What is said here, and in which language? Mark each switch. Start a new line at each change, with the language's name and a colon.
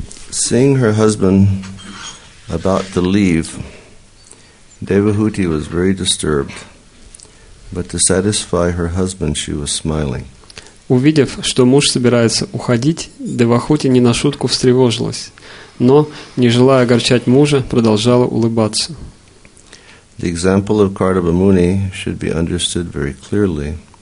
English: Seeing her husband about to leave, Devahuti was very disturbed, but to satisfy her husband she was smiling.
Russian: Увидев, что муж собирается уходить, Девахути не на шутку встревожилась, но, не желая огорчать мужа, продолжала улыбаться.
English: The example of Kardama Muni should be understood very clearly.